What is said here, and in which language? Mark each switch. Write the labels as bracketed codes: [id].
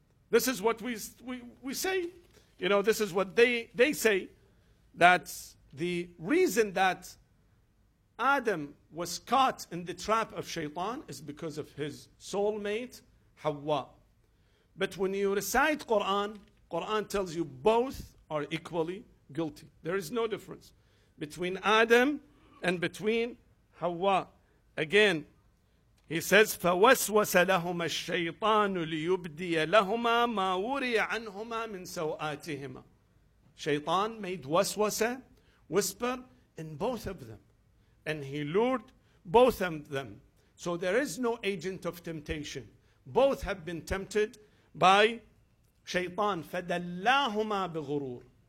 [en] This is what we say. You know, this is what they say, that the reason that Adam was caught in the trap of Shaitan is because of his soulmate, Hawa. But when you recite Quran tells you both are equally guilty. There is no difference between Adam and between Hawa. Again, he says, [ar] فَوَسْوَسَ لَهُمَا الشَّيْطَانُ لِيُبْدِيَ لَهُمَا مَا وُرِيَ عَنْهُمَا مِنْ سَوْآتِهِمَا. [en] Shaitan made waswasa, whisper, in both of them. And he lured both of them. So there is no agent of temptation. Both have been tempted by Shaitan. [ar] فَدَلَّاهُمَا بِغُرُورِ.